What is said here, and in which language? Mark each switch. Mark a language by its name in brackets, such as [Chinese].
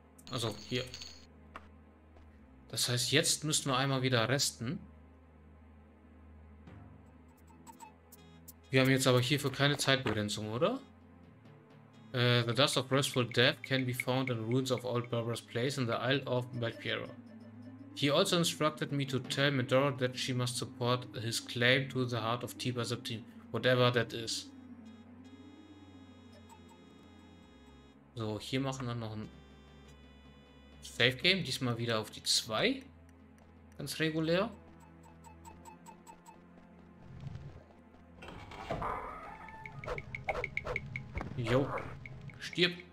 [German] Also, hier. Das heißt, jetzt müssten wir einmal wieder resten. Wir haben jetzt aber hierfür keine Zeitbegrenzung, oder? [English] The Dust of Restful Death can be found in Ruins of Old Barbara's Place in the Isle of Belpiero. He also instructed me to tell Medoro that she must support his claim to the heart of Tiber 17, whatever that is. [German] So, hier machen wir noch ein Safe Game, diesmal wieder auf die 2. Ganz regulär. Jo, stirb.